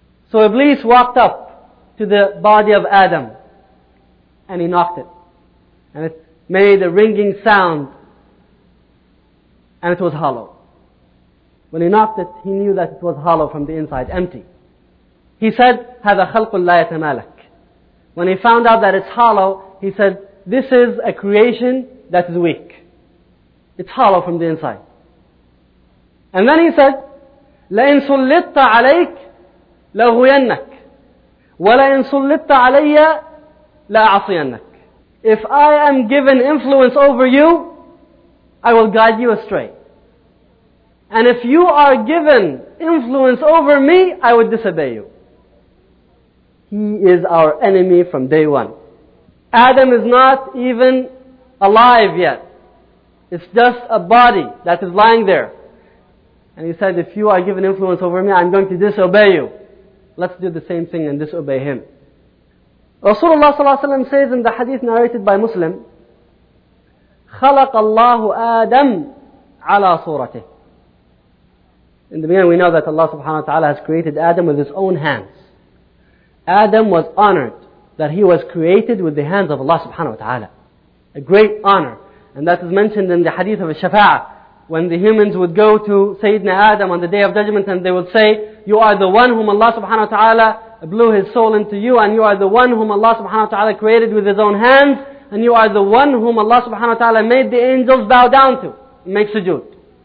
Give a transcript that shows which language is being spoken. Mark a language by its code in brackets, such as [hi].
[en] So Iblis walked up to the body of Adam and he knocked it. And it made a ringing sound and it was hollow. When he knocked it, he knew that it was hollow from the inside, empty. [ar] He said, هذا خلق لا يتمالك. [en] When he found out that it's hollow, he said, this is a creation that is weak. It's hollow from the inside. [ar] And then he said, لَإِن سُلِّطَ عَلَيْكَ لَغُيَنَّكَ وَلَإِن سُلِّطَ عَلَيَّ لَأَعْصِيَنَّكَ. [en] If I am given influence over you, I will guide you astray. And if you are given influence over me, I would disobey you. He is our enemy from day one. Adam is not even alive yet. It's just a body that is lying there. And he said, if you are given influence over me, I'm going to disobey you. Let's do the same thing and disobey him. Rasulullah صلى الله عليه وسلم says in the hadith narrated by Muslim, [ar] خَلَقَ اللَّهُ آدَمْ عَلَى صُورَتِهِ. [en] In the beginning we know that Allah subhanahu wa ta'ala has created Adam with his own hands. Adam was honored that he was created with the hands of Allah subhanahu wa ta'ala. A great honor. And that is mentioned in the hadith of Shafa'a. When the humans would go to Sayyidina Adam on the Day of Judgment and they would say, you are the one whom Allah subhanahu wa ta'ala blew his soul into you, and you are the one whom Allah subhanahu wa ta'ala created with his own hands, and you are the one whom Allah subhanahu wa ta'ala made the angels bow down to, and make sujood.